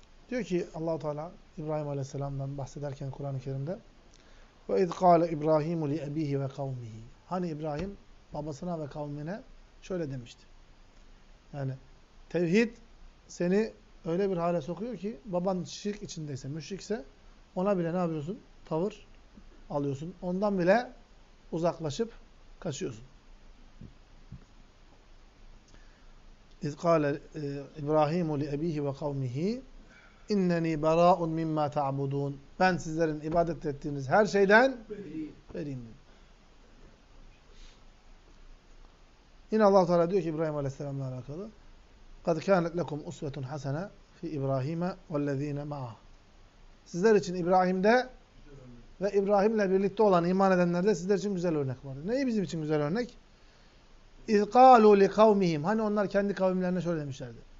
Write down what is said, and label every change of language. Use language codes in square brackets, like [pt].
[tr] Diyor ki Allah-u Teala İbrahim Aleyhisselam'dan bahsederken Kur'an-ı Kerim'de [ar] وَاِذْ قَالَ اِبْرَاهِيمُ لِيَبِيهِ وَقَوْمِهِ [tr] Hani İbrahim babasına ve kavmine şöyle demişti. Yani tevhid seni öyle bir hale sokuyor ki baban şirk içindeyse, müşrikse ona bile ne yapıyorsun? Tavır alıyorsun. Ondan bile uzaklaşıp Kaçıyorsun. [ar] اِذْ قَالَ اِبْرَاهِيمُ لِأَب۪يهِ وَقَوْمِهِ اِنَّنِي بَرَاءٌ مِمَّا تَعْبُدُونَ [tr] Ben sizlerin ibadet ettiğiniz her şeyden vereyim. Yine Allah-u Teala diyor ki İbrahim Aleyhisselam'la alakalı [ar] قَدْ كَانَتْ لَكُمْ اُسْوَةٌ حَسَنَةً فِي اِبْرَاهِيمَ وَالَّذ۪ينَ مَعَهُ [tr] Sizler için İbrahim'de ve İbrahim'le birlikte olan iman edenlerde sizler için güzel örnek var. Neyi bizim için güzel örnek? [ar] اِذْ قَالُوا لِقَوْمِهِمْ [tr] Hani onlar kendi kavimlerine şöyle demişlerdi.